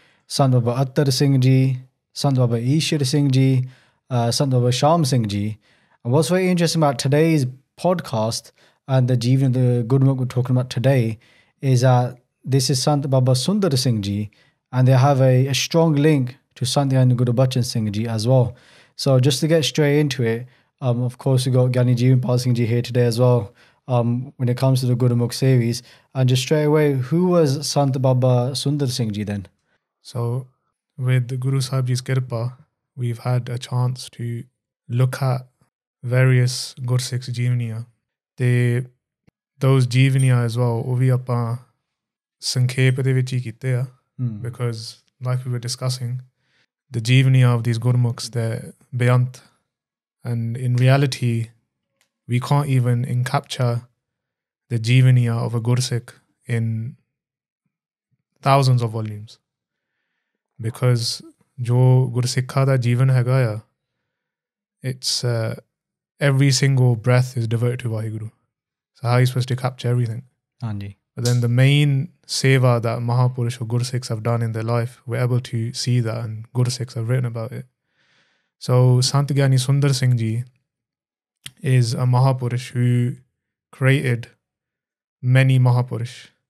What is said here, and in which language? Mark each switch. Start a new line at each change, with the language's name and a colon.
English: Sant Baba Atar Singh ji Sant Baba Ishar Singh ji Sant Baba Sham Singh ji was very interesting about today's podcast and the jivan the Gurmukh we talking about today is that this is Sant Baba Sundar Singh Ji and they have a strong link to Sant Giani Gurbachan Singh Ji as well. So just to get straight into it, of course we've got Giani Jivanpal Singh Ji here today as well when it comes to the Gurmukh series. And just straight away, who was Sant Baba Sundar Singh Ji then? So with Guru Sahib Ji's kirpa, we've had a chance to look at various Gursikhs Jivaniya. Those jeevaniya as well,
Punjabi: ਉਹ ਵੀ ਆਪਾਂ ਸੰਖੇਪ ਦੇ ਵਿੱਚ ਹੀ ਕੀਤੇ ਆ
English: because like we were discussing the jivani of these Gurmukhs the beant and in reality we can't even encapture the jivani of a Gursikh in thousands of volumes because
Punjabi: ਜੋ ਗੁਰਸਿੱਖਾਂ ਦਾ ਜੀਵਨ ਹੈਗਾ ਆ
English: It's every single breath is devoted to Waheguru So how are you supposed to capture everything? Anji. But then the main seva that Mahapursh or Gursikhs have done in their life, we're able to see that and Gursikhs have written about it. So Sant Giani Sundar Singh Ji is a Mahapursh who created many Mahapursh.